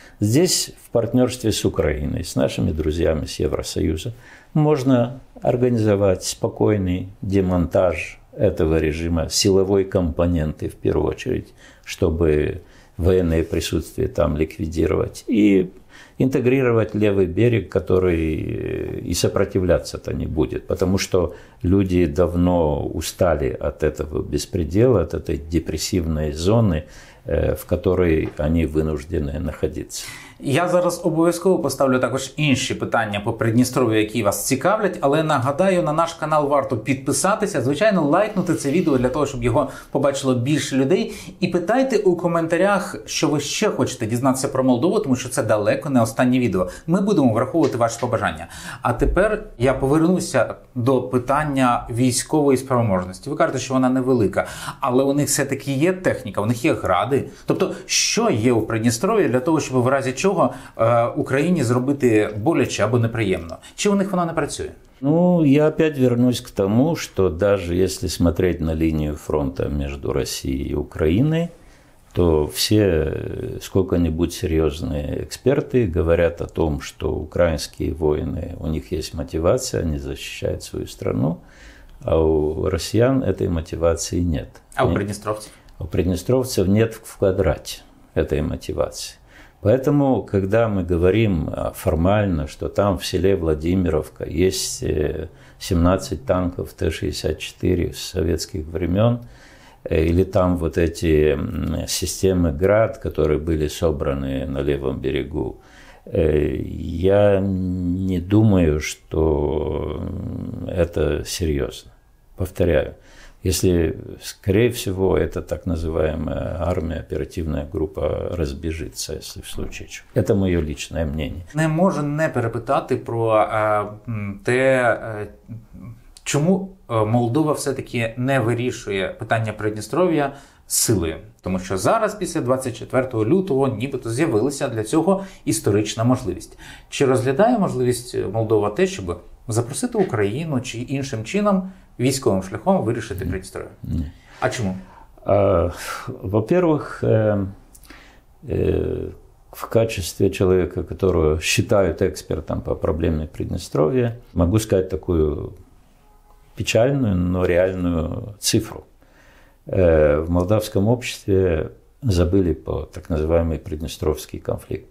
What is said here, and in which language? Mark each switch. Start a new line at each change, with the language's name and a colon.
Russian: Здесь в партнерстве с Украиной, с нашими друзьями с Евросоюза, можно организовать спокойный демонтаж этого режима, силовой компоненты в первую очередь, чтобы военное присутствие там ликвидировать, и интегрировать левый берег, который и сопротивляться-то не будет, потому что люди давно устали от этого беспредела, от этой депрессивной зоны, в которой они вынуждены находиться.
Ukrainian: Я зараз обов'язково поставлю також інші питання по Придністров'ю, які вас цікавлять, але нагадаю, на наш канал варто підписатися, звичайно, лайкнути це відео для того, щоб його побачило більше людей. І питайте у коментарях, що ви ще хочете дізнатися про Молдову, тому що це далеко не останнє відео. Ми будемо враховувати ваші побажання. А тепер я повернуся до питання військової спроможності. Ви кажете, що вона невелика, але у них все-таки є техніка, у них є гради. Тобто, що є у Придністров'ї для того, щоб в разі чого Україні зробити боляче або неприємно? Чи у них воно не працює?
Russian: Ну, я опять вернусь к тому, что даже если смотреть на линию фронта между Россией и Украиной, то все сколько-нибудь серьезные эксперты говорят о том, что украинские воины, у них есть мотивация, они защищают свою страну, а у россиян этой мотивации нет. А у приднестровцев? У приднестровцев нет в квадрате этой мотивации. Поэтому, когда мы говорим формально, что там в селе Владимировка есть 17 танков Т-64 с советских времен, или там вот эти системы ГРАД, которые были собраны на левом берегу, Я не думаю, что это серьезно. Повторяю, если, скорее всего, эта так называемая армия, оперативная группа разбежится, если в случае чего. Это мое личное мнение.
Ukrainian: Не можу не перепитати про те, чому Молдова все-таки не вирішує питання Придністров'я силою. Тому що зараз, після 24 лютого, нібито з'явилася для цього історична можливість. Чи розглядає можливість Молдова те, щоб запросити Україну чи іншим чином військовим шляхом вирішити Придністров'я? Ні. А чому?
Russian: Во-первых, в качестве человека, которого считают экспертом по проблеме Придністров'я, могу сказать такую печальную, но реальную цифру. В молдавском обществе забыли про так называемый Приднестровский конфликт.